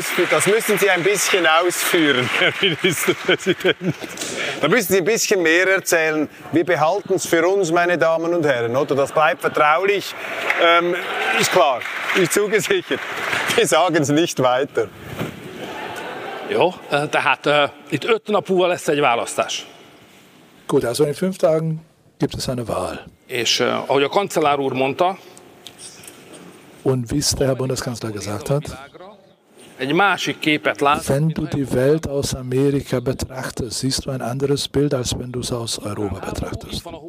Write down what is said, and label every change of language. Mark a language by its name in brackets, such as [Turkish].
[German] Das müssen Sie ein bisschen ausführen, Herr Ministerpräsident. Da müssen Sie ein bisschen mehr erzählen. Wir behalten es für uns, meine Damen und Herren, oder? Das bleibt vertraulich. Ist klar, ist zugesichert. Wir sagen es nicht weiter. [Hungarian] Jo, tehát itt 5 napúval lesz egy választás. [German] Gut, also in 5 Tagen gibt es eine Wahl. [Hungarian] És ahogy a kancellár úr mondta, [German] und wie es der Herr Bundeskanzler gesagt hat, wenn du die Welt aus Amerika betrachtest, siehst du ein anderes Bild, als wenn du es aus Europa betrachtest.